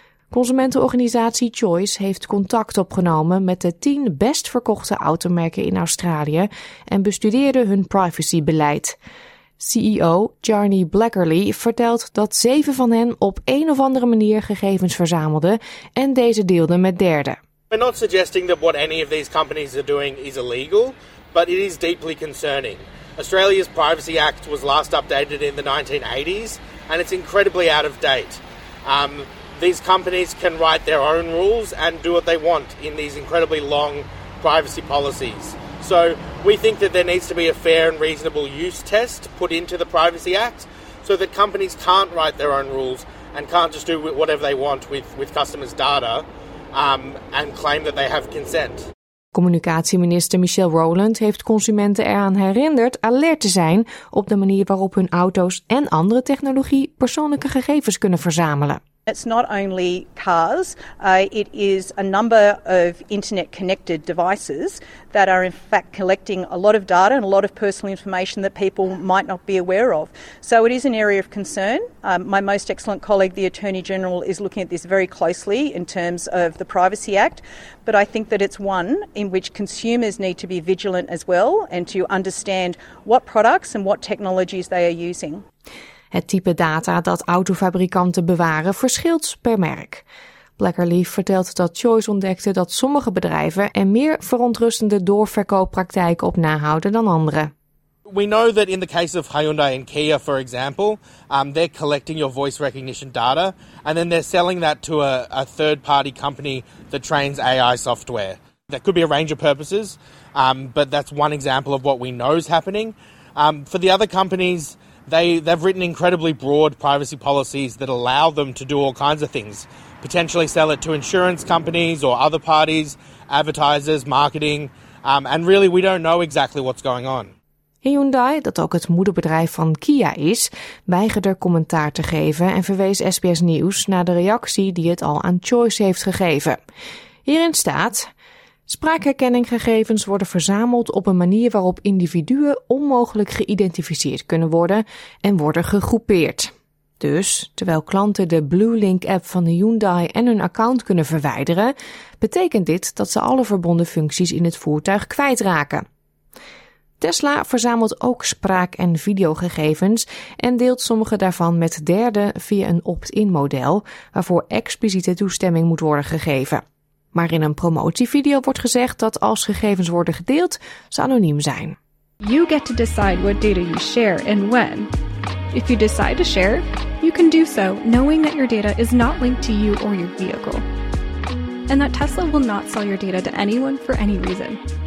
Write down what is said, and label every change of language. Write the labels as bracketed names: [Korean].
[Dutch] Consumentenorganisatie Choice heeft contact opgenomen met de 10 best verkochte automerken in Australië en bestudeerde hun privacybeleid. CEO Jarny Blackerley vertelt dat 7 van hen op een of andere manier gegevens verzamelden en deze deelden met derden. [English] We're not suggesting that what any of these companies are doing is illegal, but it is deeply concerning. Australia's Privacy Act was last updated in the 1980s, and it's incredibly out of date. These companies can write their own rules and do what they want in these incredibly long privacy policies. So we think that there needs to be a fair and reasonable use test put into the Privacy Act so that companies can't write their own rules and can't just do whatever they want with customers' data. And claim that they have consent. [Dutch] Communicatieminister Michelle Rowland heeft consumenten eraan herinnerd alert te zijn op de manier waarop hun auto's en andere technologie persoonlijke gegevens kunnen verzamelen. [English] It's not only cars, it is a number of internet connected devices that are in fact collecting a lot of data and a lot of personal information that people might not be aware of. So it is an area of concern. My most excellent colleague, the Attorney General, is looking at this very closely in terms of the Privacy Act, but I think that it's one in which consumers need to be vigilant as well and to understand what products and what technologies they are using. [Dutch] Het type data dat autofabrikanten bewaren verschilt per merk. Blackerley vertelt dat Choice ontdekte dat sommige bedrijven er meer verontrustende doorverkooppraktijken op nahouden dan andere. [English] We know that in the case of Hyundai and Kia, for example, they're collecting your voice recognition data and then they're selling that to a third-party company that trains AI software. There could be a range of purposes, but that's one example of what we know is happening. For the other companies, They've written incredibly broad privacy policies that allow them to do all kinds of things. Potentially sell it to insurance companies or other parties, advertisers, marketing. And really we don't know exactly what's going on. [Dutch] Hyundai, dat ook het moederbedrijf van Kia is, weigerde commentaar te geven en verwees SBS Nieuws naar de reactie die het al aan Choice heeft gegeven. Hierin staat: spraakherkenninggegevens worden verzameld op een manier waarop individuen onmogelijk geïdentificeerd kunnen worden en worden gegroepeerd. Dus, terwijl klanten de BlueLink-app van de Hyundai en hun account kunnen verwijderen, betekent dit dat ze alle verbonden functies in het voertuig kwijtraken. Tesla verzamelt ook spraak- en videogegevens en deelt sommige daarvan met derden via een opt-in model, waarvoor expliciete toestemming moet worden gegeven. Maar in een promotievideo wordt gezegd dat als gegevens worden gedeeld, ze anoniem zijn. [English] You get to decide what data you share and when. If you decide to share, you can do so knowing that your data is not linked to you or your vehicle. And that Tesla will not sell your data to anyone for any reason.